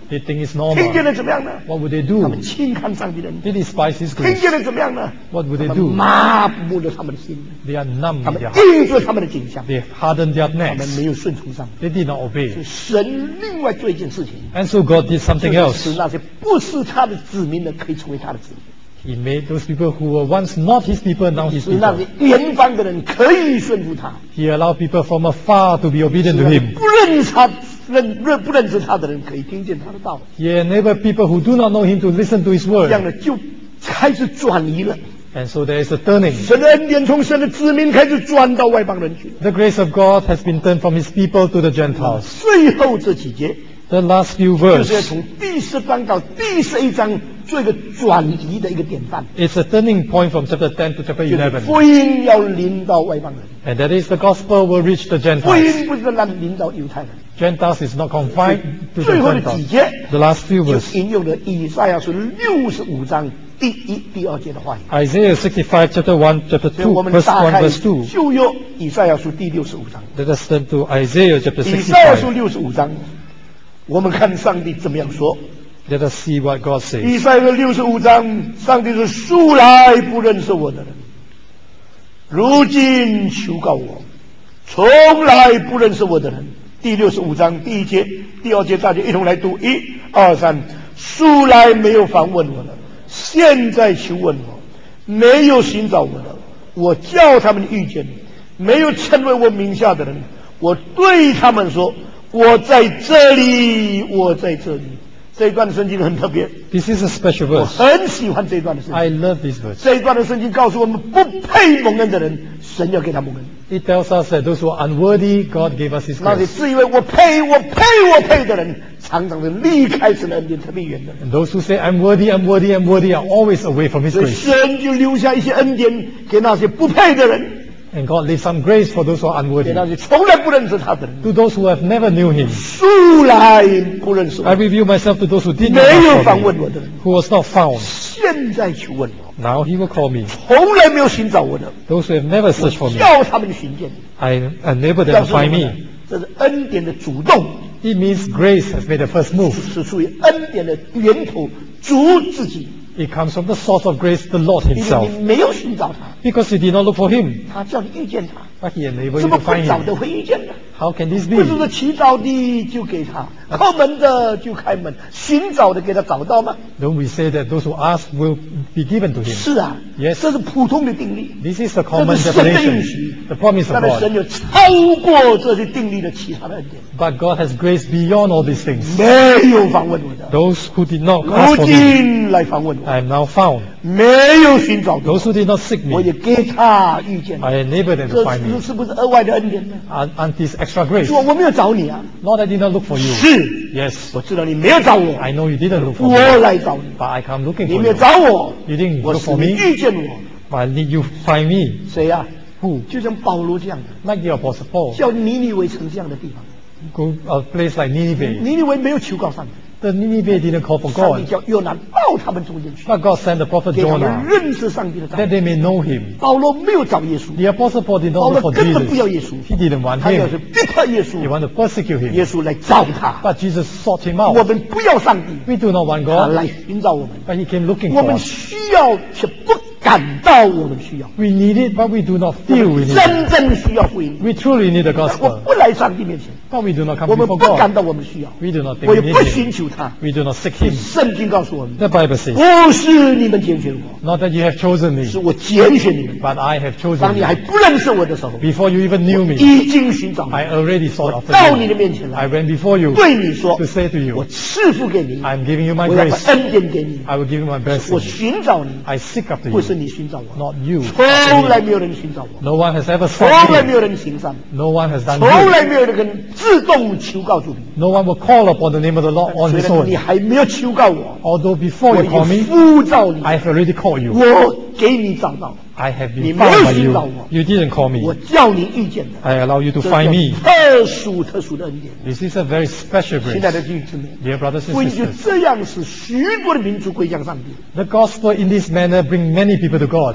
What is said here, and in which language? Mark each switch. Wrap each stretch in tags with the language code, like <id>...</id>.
<en>They think it's normal.</en> <zh>听见了怎么样呢？</zh> <en>What would they do?</en> <zh>他们轻看上帝的恩典。</zh> <en>They despise His grace.</en> <zh>听见了怎么样呢？</zh> <en>What would they do?</en> <zh>麻木了他们的心。</zh> <en>They are numb.</en> <zh>他们盯住他们的景象。</zh> <en>They hardened their necks.</en> <zh>他们没有顺从上帝。</zh> <en>They did not obey.</en> <zh>是神另外做一件事情。</zh> <en>And so God did something else.</en> <zh>使那些不是他的子民的可以成为他的子民。</zh> <en>He made those people who were once not his people now his people.</en> <zh>使那些远方的人可以顺服他。</zh> <en>He allowed people from afar to be obedient to him.</en> <zh>不认他。不认识他的人可以听见他的道。</zh> <en>He enabled people who do not know him to listen to his word.</en> <zh>这样的就开始转移了。</zh> <en>And so there is a turning.</en> <zh>神的恩典从神的子民开始转到外邦人去。</zh> <en>The grace of God has been turned from his people to the Gentiles.</en> <zh>最后这几节。</zh> <en>The last few verses.</en> <zh>就是要从第十章到第十一章做一个转移的一个典范。</zh> <en>It's a turning point from chapter 10 to chapter 11.</en> <zh>就是福音要临到外邦人。</zh> <en>And that is the gospel will reach the Gentiles.</en> <zh>福音不是让临到犹太人。</zh> <en>Gentiles is not confined to the Gentiles. The last few verses.</en> <zh>就引用了以赛亚书65章第一、第二节的话语。</zh> <en>Isaiah 65, chapter 1, chapter 2, verse 1, verse 2.</en> <zh>旧约以赛亚书第65章。</zh> <en>Let us turn to Isaiah, chapter 65.</en> <zh>以赛亚书65章，我们看上帝怎么样说。</zh> <en>Let us see what God says.</en> <zh>以赛亚书65章，上帝是素来不认识我的人，如今求告我，从来不认识我的人。第六十五章第一节、第二节，大家一同来读：一、二、三。素来没有访问我的，现在求问我；没有寻找我的，我叫他们遇见；没有称为我名下的人，我对他们说：我在这里，我在这里。这一段的圣经很特别。</zh> <en>This is a special verse。</en> <zh>我很喜欢这一段的圣经。</zh> <en>I love this verse。</en> <zh>这一段的圣经告诉我们，不配蒙恩的人，神要给他蒙恩。</zh> <en>It tells us that those who are unworthy, God gave us His grace.</en> <zh>那些自以为我配、我配、我配的人，常常是离开神的恩典特别远的。</zh> <en>And those who say I'm worthy, I'm worthy, I'm worthy are always away from His grace.</en> <zh>所以神就留下一些恩典给那些不配的人。</zh> <en>And God leaves some grace for those who are unworthy.</en> <zh>给那些从来不认识他的人。</zh> <en>To those who have never knew Him.</en> <zh>素来不认识我。</zh> <en>I reveal myself to those who did not know Him.</en> <zh>没有访问我的人。</zh> <en>Who was not found.</en> <zh>现在去问我。</zh> <en>Now he will call me.</en> <zh>从来没有寻找我的。</zh> <en>Those who have never searched for me.</en> <zh>叫他们寻见。</zh> <en>I enable them to find me.</en> <zh>这是恩典的主动。</zh> <en>It means grace has made the first move.</en> <zh>是属于恩典的源头，主自己。</zh> <en>It comes from the source of grace, the Lord Himself.</en> <zh>你没有寻找他。</zh> <en>Because you did not look for Him.</en> <zh>他叫你遇见他。</zh> <en>But He enabled you to find Him.</en> <zh>怎么不早的会遇见呢？</zh> <en>How can this be?</en> <zh>不是说祈祷的就给他，叩门的就开门，寻找的给他找到吗？</zh> <en>Don't we say that those who ask will be given to Him?</en> <zh>是啊。</zh> <en>Yes.</en> <zh>这是普通的定律。</zh> <en>This is the common definition.</en> <zh>这是神的应许。</zh> <en>The promise of God.</en> <zh>但是神有超过这些定律的其他的恩典。</zh> <en>But God has grace beyond all these things.</en> <zh>没有访问我的。</zh> <en>Those who did not ask for me.</en> <zh>如今来访问我。</zh> <en>I am now found.</en> <zh>没有寻找的。</zh> <en>Those who did not seek me.</en> <zh>我也给他遇见。</zh> <en>I enabled them to find me.</en> <zh>这是不是额外的恩典呢？</zh> <en>Aren't this extra grace?</en> <zh>我没有找你啊。</zh> <en>Lord, I did not look for you.</en> <zh>是。</zh> <en>Yes.</en> <zh>我知道你没有找我。</zh> <en>I know you didn't look for me.</en> <zh>我来找你。</zh> <en>But I come looking for you.</en> <zh>你没有找我。</zh> <en>You didn't look for me.</en> <zh>我是遇见我。</zh> <en>But did you find me?</en> <zh>谁呀、啊？</zh> <en>Who?</en> <zh>就像保罗这样的。</zh> <en>Like the Apostle Paul.</en> <zh>叫尼尼微城这样的地方。</zh> <en>Go a place like Nineveh.</en> <zh>尼尼微没有求告上帝。</zh> <en>The Ninevites didn't call for God.</en> <zh>上帝叫约拿到他们中间去。</zh> <en>But God sent the prophet Jonah.</en> <zh>给他们认识上帝的道。</zh> <en>That they may know Him.</en> <zh>保罗没有找耶稣。</zh> <en>The apostle Paul did not look for Jesus.</en> <zh>保罗根本不要耶稣。</zh> <en>He didn't want Him.</en> <zh>他要是逼迫耶稣。</zh> <en>He wanted to persecute Him.</en> <zh>耶稣来找他。</zh> <en>But Jesus sought Him out.</en> <zh>我们不要上帝。</zh> <en>We do not want God.</en> <zh>他来寻找我们。</zh> <en>But He came looking for us.</en> <zh>我们需要却不感到我们需要。</zh> <en>We need it, but we do not feel we need it.</en> <zh>真正需要福音。</zh> <en>We truly need the gospel.</en> <zh>我不来上帝面前。</zh> <en>But we do not come before God.</en> <zh>我们不感到我们需要。</zh> <en>We do not think we need it.</en> <zh>我也不寻求他。</zh> <en>We do not seek Him.</en> <zh>圣经告诉我们。</zh> <en>The Bible says.</en> <zh>不是你们拣选我。</zh> <en>Not that you have chosen me.</en> <zh>是我拣选你们。</zh> <en>But I have chosen.</en> <zh>当你还不认识我的时候。</zh> <en>Before you even knew me.</en> <zh>已经寻找。</zh> <en>I already sought after you.</en> <zh>到你的面前来。</zh> <en>I went before you.</en> <zh>对你说。</zh> <en>To say to you.</en> <zh>我赐福给你。</zh> <en>I am giving you my grace.</en> <zh>我要把恩典给你。</zh> <en>I will give you my blessing.</en> <zh>我寻找你。</zh> <en>I seek after you.</en> <zh>你寻找我。</zh> <en>Not you.</en> <zh>从来没有人寻找我。</zh> <en>No one has ever sought you.</en> <zh>从来没有人行善。</zh> <en>No one has done.</en> <zh>从来没有人自动求告主。</zh> <en>No one will call upon the name of the Lord on his own.</en> <zh>你还没有求告我。</zh> <en>Although before you call me,</en> <zh>我呼召你。</zh> <en>I have already called you.</en> <zh>我给你找到。</zh> <en>I have been found by you. You didn't call me.</en> <zh>我叫你遇见的。</zh> <en>I allow you to find me.</en> <zh>特殊特殊的恩典。</zh> <en>This is a very special grace.</en> <zh>亲爱的弟兄姊妹。</zh> <en>Dear brothers and sisters.</en> <zh>福音就这样使许多的民族归向上帝。</zh> <en>The gospel in this manner bring many people to God.</en>